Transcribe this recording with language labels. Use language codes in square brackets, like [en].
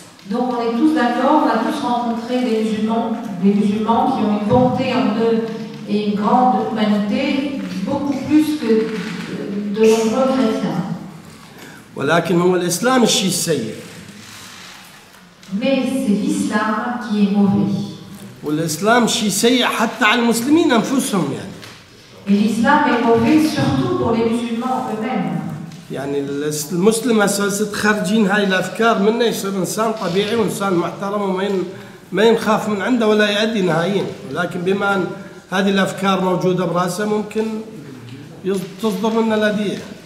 [fr] Donc on est tous d'accord, on a tous rencontré des musulmans qui ont une bonté en eux et une grande humanité, beaucoup plus que de nombreux chrétiens. [ar] ولكن هو الإسلام الشيء السيء. [fr] Mais c'est l'islam qui est mauvais. [ar] والإسلام الشيء السيء حتى على المسلمين أنفسهم يعني. [fr] Et l'islam est mauvais surtout pour les musulmans eux-mêmes. [ar] يعني المسلم أساسا تخرجين هاي الأفكار منه يصير إنسان طبيعي وإنسان محترم وما ينخاف من عنده ولا يأدي نهائياً ولكن بما أن هذه الأفكار موجودة برأسه ممكن تصدر منه الأذية.